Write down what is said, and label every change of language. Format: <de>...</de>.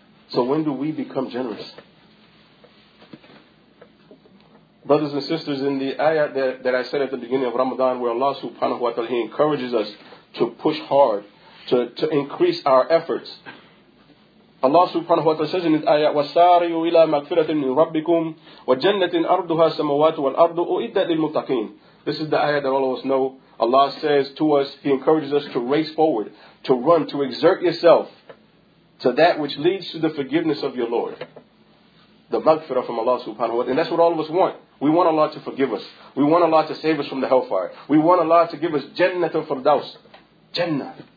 <en>So when do we become generous? Brothers and sisters, in the ayah that I said at the beginning of Ramadan, where Allah subhanahu wa ta'ala, He encourages us to push hard, to increase our efforts.</en> <ar>Allah subhanahu wa ta'ala says in the ayah, وَسَارِيُوا إِلَىٰ مَغْفِرَةٍ مِّن رَبِّكُمْ وَجَنَّةٍ أَرْضُهَا السَّمَوَاتُ وَالْأَرْضُ أُعِدَّتْ لِلْمُتَّقِينَ.</ar> <en>This is the ayah that all of us know. Allah says to us, He encourages us to race forward, to run, to exert yourself to that which leads to the forgiveness of your Lord. The maghfirah from Allah subhanahu wa ta'ala. And that's what all of us want. We want Allah to forgive us. We want Allah to save us from the hellfire. We want Allah to give us Jannat al-Firdaus. Jannah.</en>